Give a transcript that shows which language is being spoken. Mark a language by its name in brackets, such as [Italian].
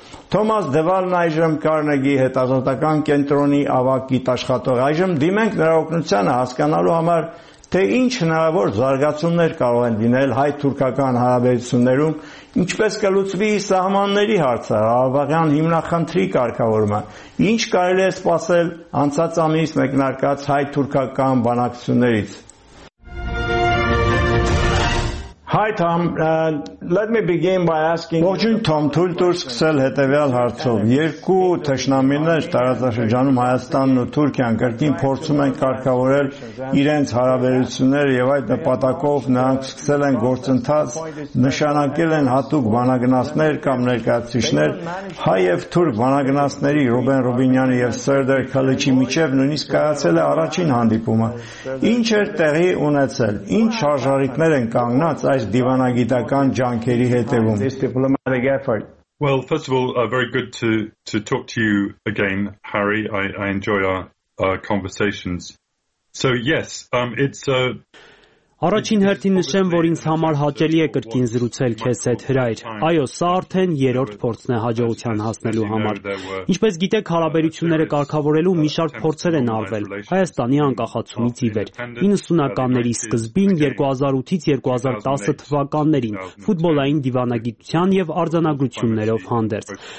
[Armenian] Թոմաս Դվալն այժմ Կարնեգի հետազոտական կենտրոնի ավագ գիտաշխատող։ Այժմ դիմենք նրա օգնությանը հասկանալու համար, թե ինչ հնարավոր զարգացումներ կարող են լինել հայ-թուրքական հարաբերություններում, ինչպես կլուծվի սահմանների հարցը, Ղարաբաղյան հիմնախնդրի կարգավորումը, ինչ կարելի է սպասել անցած ամիս մեկնարկած հայ-թուրքական բանակցություններից։ [English] Hi Tom, let me begin by asking [Armenian] Ողջույն Թոմ, թույլ տուր սկսել հետևյալ հարցով։ Երկու թշնամիներ տարածաշրջանում Հայաստանն ու Թուրքիան կրկին փորձում են կարգավորել իրենց հարաբերությունները եւ այդ նպատակով նրանք սկսել են գործընթաց, նշանակել են հատուկ բանակցություններ կամ ներկայացուցիչներ հայ եւ թուրք բանակցությունների Ռուբեն Ռուբինյանի եւ Սերդեր Քալիչի միջև նույնիսկ կայացել է առաջին հանդիպումը։ Ինչ էր տեղի ունեցել, ինչ շարժարիքներ են կանգնած այս դիվանագիտական ջանքերի հետևում։ [English] Well, first of all, very good to talk to you again, Harry. I enjoy our conversations. So, yes, it's a [Armenian] Առաջին հերթին նշեմ, որ ինձ համար հաճելի է կրկին զրուցել քեզ հետ, հրայր։ Այո, սա արդեն երրորդ փորձն է հաջողության հասնելու համար։ Ինչպես գիտեք, հարաբերությունները կարգավորելու մի շարք փորձեր են արվել Հայաստանի անկախացումից ի վեր։ 90-ականների սկզբին, 2008-ից 2010 թվականներին, ֆուտբոլային դիվանագիտության եւ արձանագրություններով հանդերձ։